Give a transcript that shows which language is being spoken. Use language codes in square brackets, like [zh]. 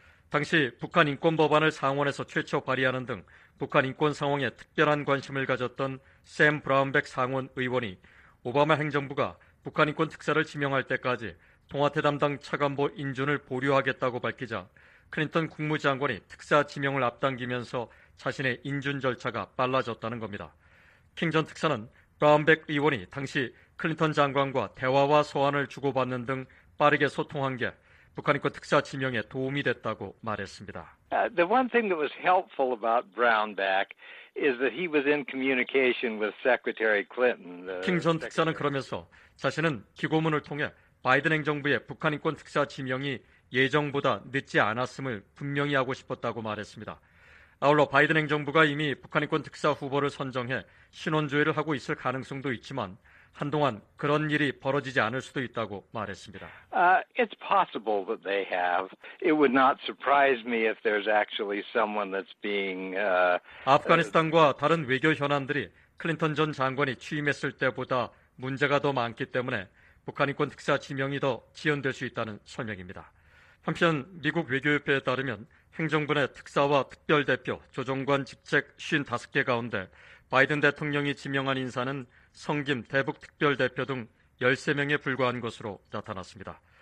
[ko] 당시 북한 인권 법안을 상원에서 최초 발의하는 등 북한 인권 상황에 특별한 관심을 가졌던 샘 브라운백 상원 의원이 오바마 행정부가 북한 인권 특사를 지명할 때까지 동아태 담당 차관보 인준을 보류하겠다고 밝히자 클린턴 국무장관이 특사 지명을 앞당기면서 자신의 인준 절차가 빨라졌다는 겁니다. 킹 전 특사는 브라운백 의원이 당시 클린턴 장관과 대화와 소환을 주고받는 등 빠르게 소통한 게 북한 인권 특사 지명에 도움이 됐다고 말했습니다. [en] The one thing that was helpful about Brownback is that he was in communication with Secretary Clinton. [ko] 킹 전 특사는 그러면서 자신은 기고문을 통해 바이든 행정부의 북한 인권 특사 지명이 예정보다 늦지 않았음을 분명히 하고 싶었다고 말했습니다. 아울러 바이든 행정부가 이미 북한 인권 특사 후보를 선정해 신원조회를 하고 있을 가능성도 있지만 한동안 그런 일이 벌어지지 않을 수도 있다고 말했습니다. [en] It's possible that they have. It would not surprise me if there's actually someone that's being [ko] 아프가니스탄과 다른 외교 현안들이 클린턴 전 장관이 취임했을 때보다 문제가 더 많기 때문에 북한 인권 특사 지명이 더 지연될 수 있다는 설명입니다. 한편 미국 외교협회에 따르면 행정부 내 특사와 특별대표, 조정관 직책 55개 가운데 바이든 대통령이 지명한 인사는 성김 대북 특별대표 등 13명에 불과한 것으로 나타났습니다.